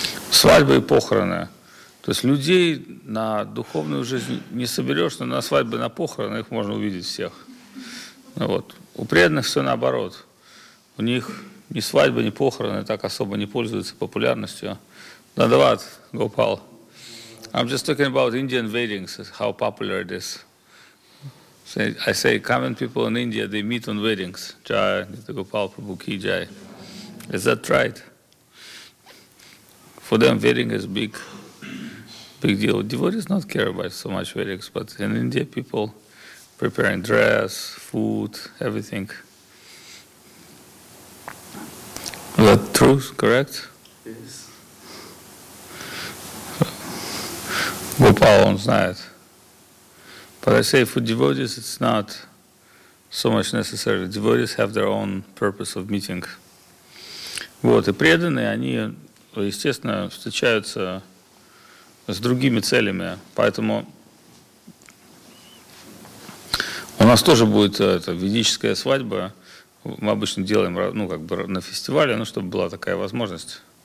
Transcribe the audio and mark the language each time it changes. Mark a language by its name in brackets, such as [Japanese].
[Russian] Свадьбы и похороны. То есть людей на духовную жизнь не соберешь, но на свадьбы, на похороны их можно увидеть всех. Ну, вот. У преданных все наоборот. У них... Ни свадьбы, ни похороны так особо не пользуются популярностью. Надават, Гопал. [English] I'm just talking about Indian weddings, how popular it is. So I say, common people in India, they meet on weddings. Jai, Nita Gopal, Prabhu Ki Jai. Is that right? For them, wedding is big deal. Devotees not care about so much weddings, but in India, people preparing dress, food, everything. Is that true, correct? Yes. [Russian] Gopal, он знает. [English] But I say, for devotees, it's not so much necessary. Devotees have their own purpose of meeting. [Russian] Вот, и преданные, они, естественно, встречаются с другими целями. Поэтому у нас тоже будет это, ведическая свадьба. Мы обычно делаем, ну, как бы на фестивале, ну, чтобы была такая возможность.